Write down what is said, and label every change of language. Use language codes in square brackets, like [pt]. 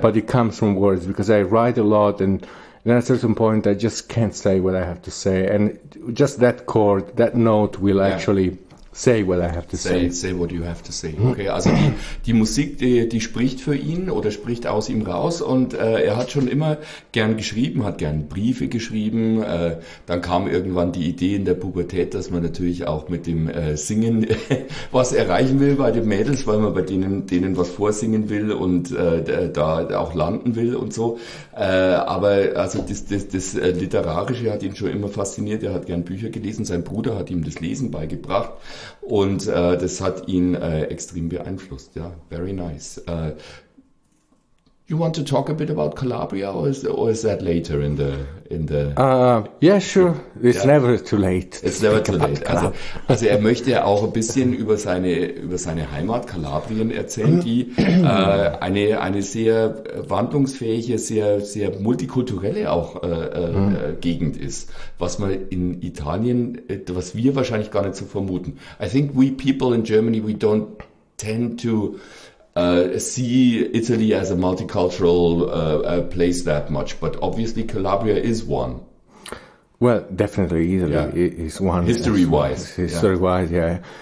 [en] But it comes from words, because I write a lot, and then at a certain point I just can't say what I have to say, and just that chord, that note will actually say what I have to say. Say what you have to say. [de] Okay, also die Musik, die spricht für ihn oder spricht aus ihm raus. Und er hat schon immer gern geschrieben, hat gern Briefe geschrieben. Dann kam irgendwann die Idee in der Pubertät, dass man natürlich auch mit dem Singen was erreichen will bei den Mädels, weil man bei denen was vorsingen will und da auch landen will und so. Aber also das Literarische hat ihn schon immer fasziniert. Er hat gern Bücher gelesen. Sein Bruder hat ihm das Lesen beigebracht. Und das hat ihn extrem beeinflusst. [en] Yeah, very nice. You want to talk a bit about Calabria, or is that later in the? Yeah, sure. It's never too late. It's never too late. [de] Also er möchte ja auch ein bisschen über seine Heimat Kalabrien erzählen, die eine sehr wandlungsfähige, sehr sehr multikulturelle auch Gegend ist, was man in Italien, was wir wahrscheinlich gar nicht so vermuten. [en] I think we people in Germany, we don't tend to see Italy as a multicultural place that much, but obviously Calabria is one. Well, definitely Italy is one. History-wise. History-wise, yeah.